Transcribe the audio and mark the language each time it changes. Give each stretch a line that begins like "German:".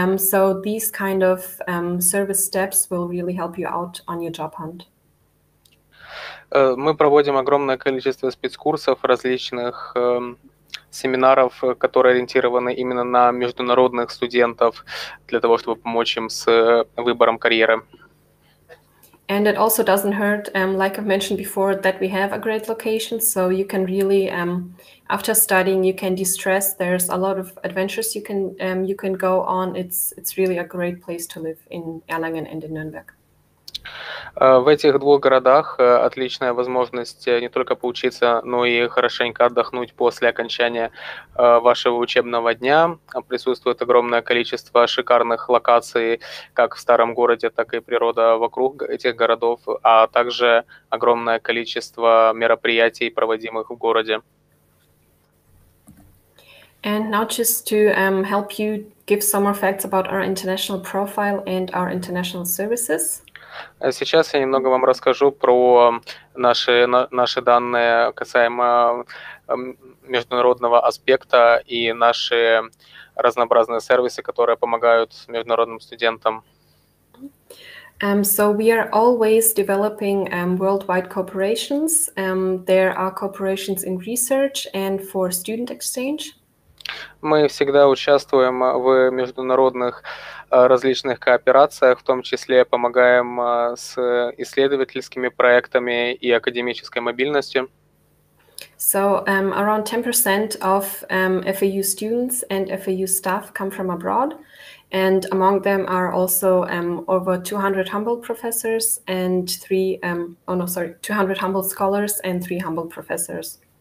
English: So these kind of service steps will really help you out on your job hunt.
Russian: Мы проводим огромное количество спецкурсов, различных семинаров, которые ориентированы именно на международных студентов для того, чтобы помочь им с выбором карьеры.
English: And it also doesn't hurt, like I've mentioned before, that we have a great location. So you can really, after studying, you can de-stress. There's a lot of adventures you can go on. It's really a great place to live in Erlangen and in Nürnberg.
Russian: В этих двух городах отличная возможность не только поучиться, но и хорошенько отдохнуть после окончания вашего учебного дня. Присутствует огромное количество шикарных локаций, как в старом городе, так и природа вокруг этих городов, а также огромное количество мероприятий, проводимых в городе.
English: And now just to help you give some more facts about our international profile and our international services.
Russian: Сейчас я немного вам расскажу про наши данные касаемо международного аспекта и наши разнообразные сервисы, которые помогают международным студентам.
English: So we are always developing worldwide cooperations. There are cooperations in research and for student exchange.
Russian: Мы всегда участвуем в международных различных кооперациях, в том числе помогаем с исследовательскими проектами и академической мобильностью.
English: So around 10% of FAU students and FAU staff come from abroad, and among them are also over 200 Humboldt professors and 200 Humboldt scholars and 3 Humboldt professors.